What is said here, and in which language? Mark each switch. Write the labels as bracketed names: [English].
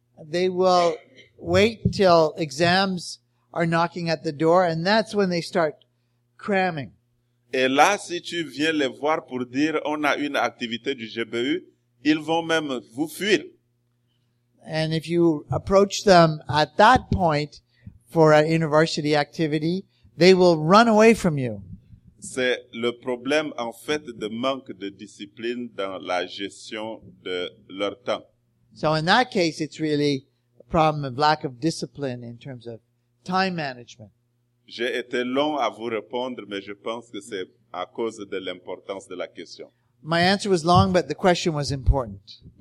[English] They will wait till exams are knocking at the door, and that's when they start cramming. [French] Et là, si tu viens les voir pour dire on a une activité du GBU, ils vont même vous fuir. [English] And if you approach them at that point for an university activity, they will run away from you. [French] C'est le problème, en fait, de manque de discipline dans la gestion de leur temps. [English] So in that case, it's really a problem of lack of discipline in terms of time management. [French] J'ai été long à vous répondre, mais je pense que c'est à cause de l'importance de la question. [English] My answer was long, but the question was important.